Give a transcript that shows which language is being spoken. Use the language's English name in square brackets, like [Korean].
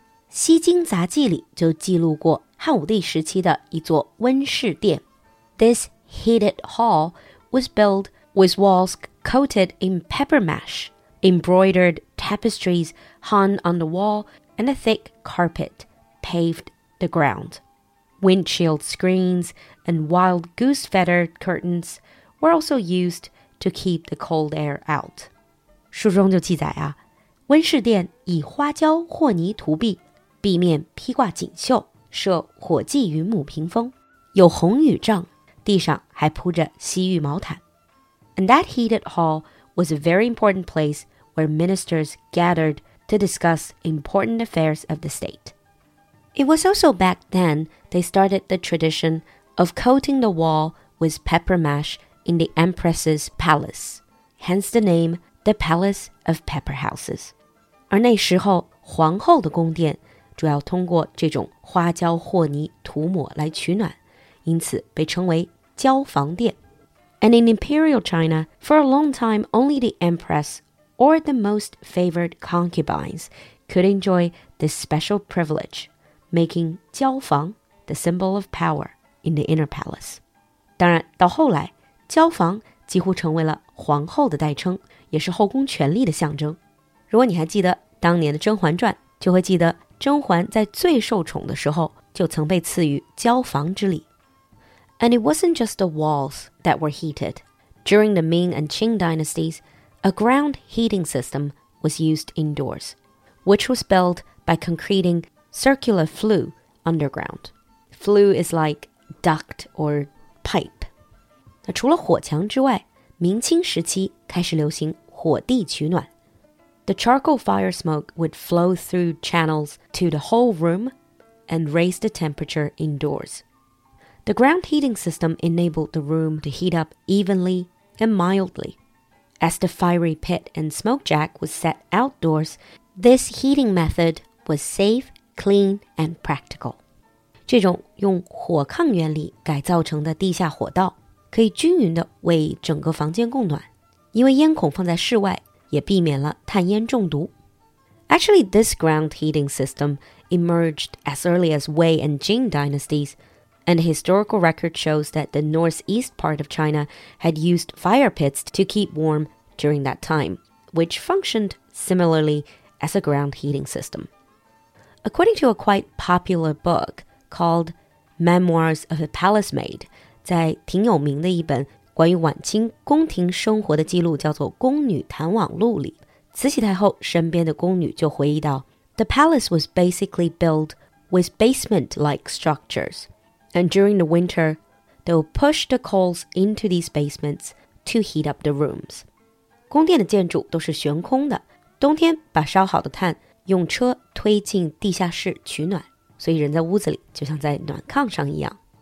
[Chinese] 西京杂记里就记录过汉武帝时期的一座温室殿。 [English] This heated hall was built with walls coated in pepper mash, embroidered tapestries hung on the wall, and a thick carpet paved the ground. Windshield screens and wild goose feather curtains were also used to keep the cold air out. [Chinese] 书中就记载啊，温室殿以花椒或泥涂壁，壁面披挂锦绣。设火祭云母屏风，有红雨帐，地上还铺着西域毛毯。 [English] And that heated hall was a very important place where ministers gathered to discuss important affairs of the state. It was also back then they started the tradition of coating the wall with pepper mash in the empress's palace, hence the name the Palace of Pepper Houses. [Chinese] 而那时候，皇后的宫殿主要通过这种花椒或泥涂抹来取暖，因此被称为椒房殿。 [English] And in imperial China, for a long time, only the empress or the most favored concubines could enjoy this special privilege, making 椒房 the symbol of power in the inner palace. [Chinese] 当然，到后来，椒房几乎成为了皇后的代称，也是后宫权力的象征。如果你还记得当年的《甄嬛传》，就会记得甄嬛在最受宠的时候就曾被赐予椒房之礼。 [English] And it wasn't just the walls that were heated. During the Ming and Qing dynasties, a ground heating system was used indoors, which was built by concreting circular flue underground. Flue is like duct or pipe. [Chinese] 那除了火墙之外，明清时期开始流行火地取暖。 [English] The charcoal fire smoke would flow through channels to the whole room and raise the temperature indoors. The ground heating system enabled the room to heat up evenly and mildly. As the fiery pit and smoke jack was set outdoors, this heating method was safe, clean, and practical. [Chinese] 这种用火炕原理改造成的地下火道可以均匀地为整个房间供暖，因为烟孔放在室外也避免了碳烟中毒。 [English] Actually, this ground heating system emerged as early as Wei and Jing dynasties, and the historical record shows that the northeast part of China had used fire pits to keep warm during that time, which functioned similarly as a ground heating system. According to a quite popular book called Memoirs of a Palace Maid, [Chinese] 在挺有名的一本关于晚清宫廷生活的记录叫做《宫女谈往录》里，慈禧太后身边的宫女就回忆到 [English] The palace was basically built with basement-like structures, and during the winter, they would push the coals into these basements to heat up the rooms. [Chinese] 宫殿的建筑都是悬空的，冬天把烧好的炭用车推进地下室取暖，所以人在屋子里就像在暖炕上一样。